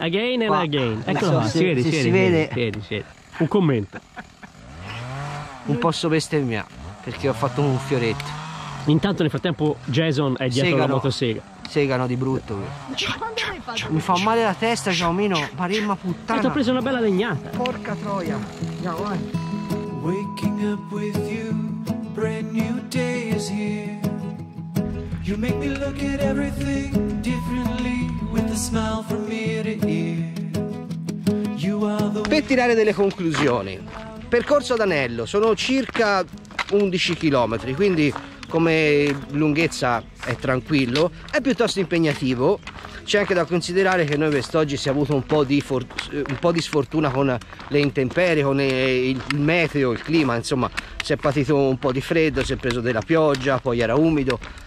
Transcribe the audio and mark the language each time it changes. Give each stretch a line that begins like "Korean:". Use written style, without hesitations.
English: Again and again.
Italian: Ecco, si vede. Un commento. Non posso bestemmiare perché ho fatto un fioretto. Intanto nel frattempo Jason è dietro la motosega. Segano di brutto. Mi fa male la testa, Giaomino. Maremma puttana. Ti ho preso una bella legnata. Porca troia. Andiamo, vai.
English: Waking up with you, brand new day is here. You make me look at everything differently with a smile from ear to ear. You are the...
Italian: Per tirare delle conclusioni, percorso ad anello, sono circa 11 km, quindi come lunghezza è tranquillo, è piuttosto impegnativo. C'è anche da considerare che noi quest'oggi si è avuto un po' di sfortuna con le intemperie, con il meteo, il clima, insomma, si è patito un po' di freddo, si è preso della pioggia, poi era umido.